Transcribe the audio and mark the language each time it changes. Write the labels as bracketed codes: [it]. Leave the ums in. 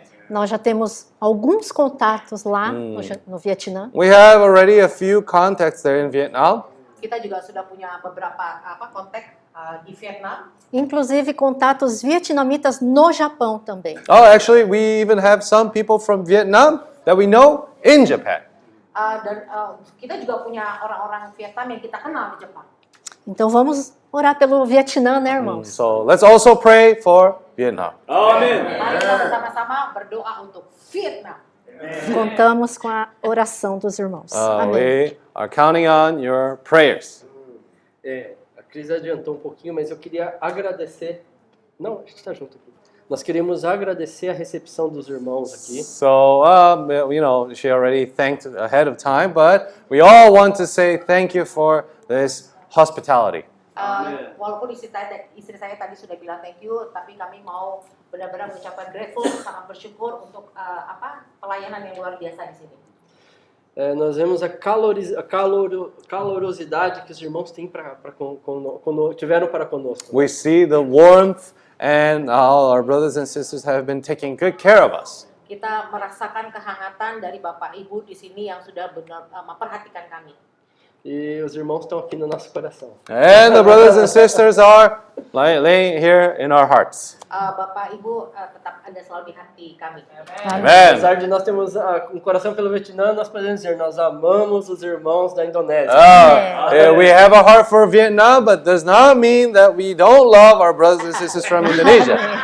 [pt] Nós já temos alguns contatos lá no, Vietnã. [en] We have already a few contacts there in Vietnam. [id] Kita juga sudah punya beberapa apa [pt] kontak Uh, Inclusive contatos vietnamitas no Japão também. [en] Oh, actually, we even have some people from Vietnam that we know in Japan. [id] Uh, dan, uh, kita juga punya orang-orang Vietnam yang kita [pt] Então vamos orar pelo Vietnã, né, irmãos? Mm, [en] so let's also pray for Vietnam. Amen. [id] Mari kita bersama-sama berdoa Vietnam. [pt] Contamos com a oração dos irmãos. We [en] are counting on your prayers. Yeah. [pt] Cris adiantou um pouquinho, mas eu queria agradecer. Não, a gente está junto aqui. Nós queremos agradecer a recepção dos irmãos aqui. [en] So, um, you know, she already thanked ahead of time, but we all want to say thank you for this hospitality. [id] Uh, walaupun istri saya tadi sudah bilang thank you, tapi kami mau benar-benar mengucapkan grateful, sangat bersyukur untuk pelayanan yang luar biasa di sini [pt] nós vemos a, calorosidade que os irmãos têm pra, pra tiveram para conosco. [en] We see the warmth and all our brothers and sisters have been taking good care of us. [id] Kita merasakan kehangatan dari Bapak Ibu di sini yang sudah benar memperhatikan kami. [pt] E os irmãos estão aqui no nosso coração. [en] And the brothers and sisters are laying here in our hearts. [id] Ah, Bapak, Ibu tetap ada selalu di hati kami. Amen. [pt] Apesar de nós termos um uh, coração yeah, pelo Vietnã, nós podemos dizer nós amamos os irmãos da Indonésia. [en] we have a heart for Vietnam, but does not mean that we don't love our brothers and sisters from Indonesia.